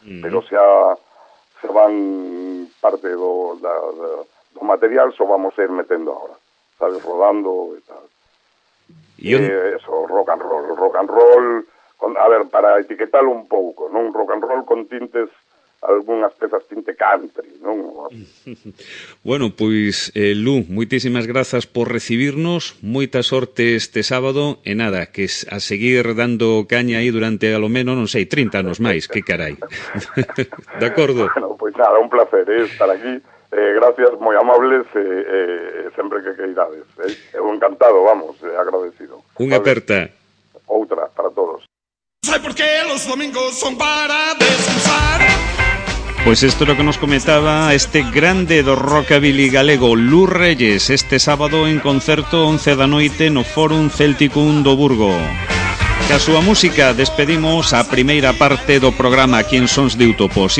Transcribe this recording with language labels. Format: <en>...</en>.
<gl>Pero se van parte de o material, só vamos a ir metendo agora, sabes, rodando e tal.</gl> <es>Eso, rock and roll, para etiquetarlo un pouco, ¿no?</es> <gl>Un rock and roll con tintes, algunhas pezas tinte country, ¿no? Bueno, pois, Lu, moitísimas grazas por recibirnos, moita sorte este sábado, e nada, que a seguir dando caña aí durante,</gl> <es>a lo menos,</es> <gl>non sei, 30 anos máis, que carai. De acordo. Bueno, pois nada, un placer estar aquí.</gl> <es>Gracias, muy amables, siempre que queráis. Encantado, vamos, agradecido.</es> <gl>Una aperta.</gl> <es>Otra, para todos. ¿Sabes por qué los domingos son para descansar? Pues esto es lo que nos comentaba</es> <gl>este grande do rockabilly galego,</gl> <es>Lu Reyes, este sábado en concerto 11 de la noche en el Forum Celticum do Burgo.</es> <gl>Ca súa música despedimos a primeira parte do programa aquí en Sons de Utopos.</gl>